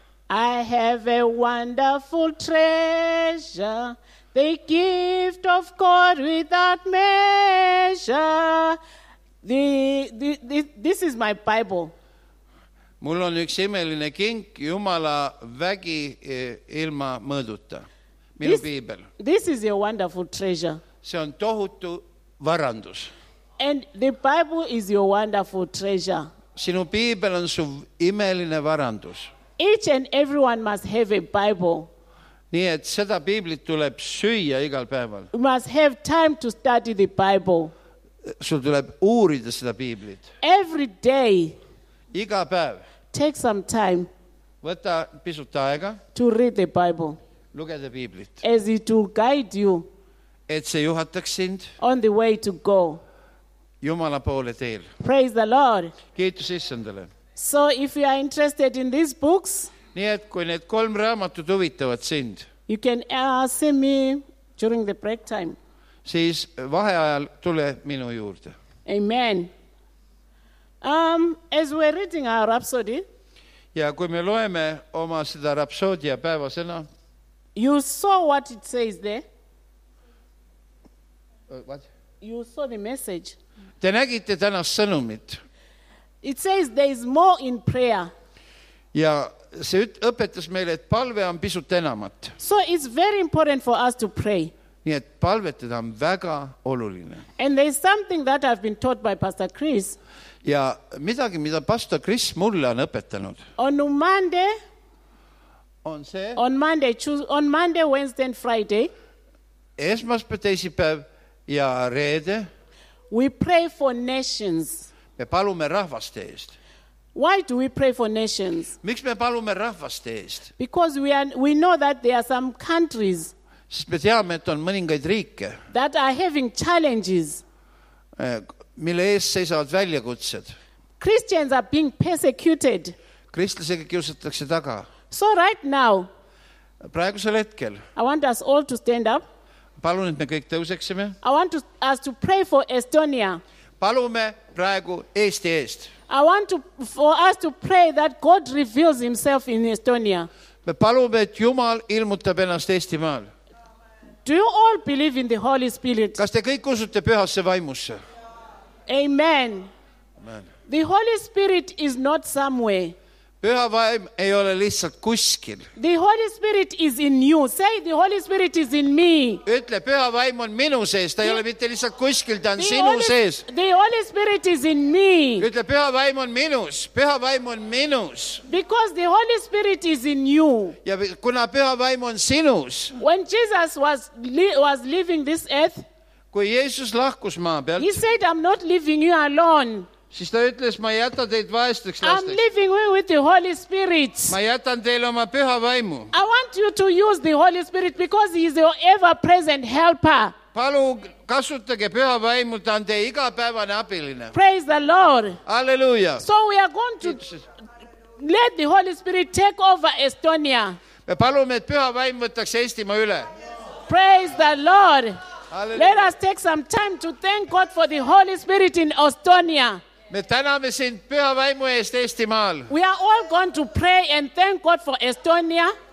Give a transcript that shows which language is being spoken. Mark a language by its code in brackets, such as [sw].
[en] I have a wonderful treasure, the gift of God without measure. This is my Bible. [et] Mul on üks imeline kink, Jumala vägi ilma mõõduta. Minu piibel. [en] This is a wonderful treasure. [et] See on tohutu varandus. [en] And the Bible is your wonderful treasure. [et] Sinu piibel on su imeline varandus. [en] Each and everyone must have a Bible. [et] Nii et seda piiblit tuleb süüa igal päeval. [en] You must have time to study the Bible. [et] Sul tuleb uurida seda piiblit. [en] Every day. [et] Iga päev. [en] Take some time. [et] Võta pisut aega. [en] To read the Bible. [et] Lugeda piiblit. [en] As it will guide you. [et] Et see juhataks sind. [en] On the way to go. [et] Jumala poole teel. [en] Praise the Lord. [et] Kiitus Issandale. [en] So if you are interested in these books. [et] Nii et kui need kolm raamatut huvitavad sind. [en] You can see me during the break time. [et] Siis vaheajal tule minu juurde. Amen. [en] As we're reading our rhapsody. [et] Ja kui me loeme oma seda rhapsodia päevasena. [en] You saw what it says there. What? You saw the message. [et] Te nägite tänas sõnumit. [en] It says there is more in prayer. [et] Ja see õpetas meile, et palve on pisut enamat. [en] So it's very important for us to pray. [et] Nii et palvetada on väga oluline. [en] And there is something that I've been taught by Pastor Chris. [et] Ja midagi, mida Pastor Chris mulle on õpetanud. [en] On Monday. [et] On see. [en] On Monday, Wednesday and Friday. [et] Esmaspäev ja reede. [en] We pray for nations. [et] Me palume rahvaste eest. [en] Why do we pray for nations? [et] Miks me palume rahvaste eest? [en] Because we know that there are some countries. [et] Sest me teame, et on mõningaid riike. [en] That are having challenges. [et] Mille ees seisavad väljakutsed. [en] Christians are being persecuted. [et] Kristlasega kiusatakse taga. [en] So right now. [et] Praegusel hetkel. [en] I want us all to stand up. [et] Palun, et me kõik tõuseksime. [en] I want us to pray for Estonia. [et] Palume praegu Eesti eest. [en] I want for us to pray that God reveals himself in Estonia. [et] Me palume, et Jumal ilmutab ennast Eestimaal. [en] Do you all believe in the Holy Spirit? [et] Kas te kõik usute pühasse vaimusse? Amen. Amen. [en] The Holy Spirit is not somewhere. [et] Püha vaim ei ole lihtsalt kuskil. [en] The Holy Spirit is in you. Say, the Holy Spirit is in me. [et] Ütle, püha vaim on minu sees. Ta ei ole mitte lihtsalt kuskil, ta on sinu sees. [en] The Holy Spirit is in me. [et] Ütle, püha vaim on minus. Püha vaim on minus. [en] Because the Holy Spirit is in you. [et] Ja kuna püha vaim on sinus. [en] When Jesus was leaving this earth, [et] kui Jeesus lahkus maa pealt, [en] he said, I'm not leaving you alone. [et] Siis ta ütles, ma jätan teid vaesteks lasteks. [en] I'm leaving you with the Holy Spirit. [et] Ma jätan teile oma püha vaimu. [en] I want you to use the Holy Spirit because he is your ever-present helper. [et] Palu, kasutage püha vaimu, ta on teie igapäevane abiline. [en] Praise the Lord. Alleluja. So we are going to let the Holy Spirit take over Estonia. [et] Me palume, et püha vaim võtaks Eestima üle. [en] Praise the Lord. Hallelujah. Let us take some time to thank God for the Holy Spirit in Estonia. [et] Me täname siin püha vaimu eest Eestimaal. [en] We are all going to pray and thank God for Estonia.